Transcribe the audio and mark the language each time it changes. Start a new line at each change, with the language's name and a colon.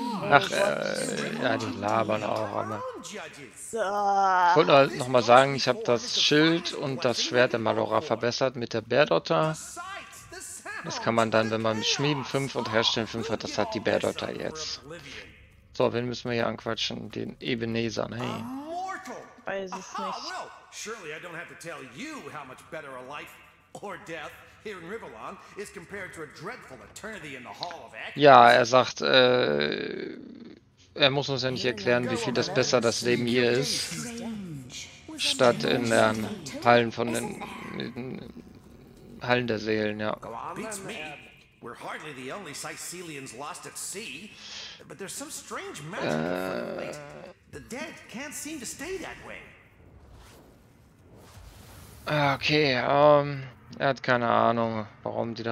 German: Ach, ja, die labern auch immer. Ich wollte halt noch mal sagen, ich habe das Schild und das Schwert der Malora verbessert mit der Bärdotter. Das kann man dann, wenn man Schmieden 5 und Herstellen 5 hat, das hat die Bärdotter jetzt. So, wen müssen wir hier anquatschen? Den Ebenezer, hey. Weiß es nicht.
English: Well, surely I don't have to tell you how much better a life or death here in Rivalon is compared to a dreadful eternity in the Hall of
German: Ja,
English: Echoes.
German: er sagt, er muss uns ja nicht erklären, wie viel das besser das Leben hier ist, statt in den Hallen von den Hallen der Seelen, ja.
English: Beats me. We're hardly the only Sicilians lost at sea, but there's some strange magic afoot of late. The dead can't seem to stay that way.
German: Okay, er hat keine Ahnung, warum die da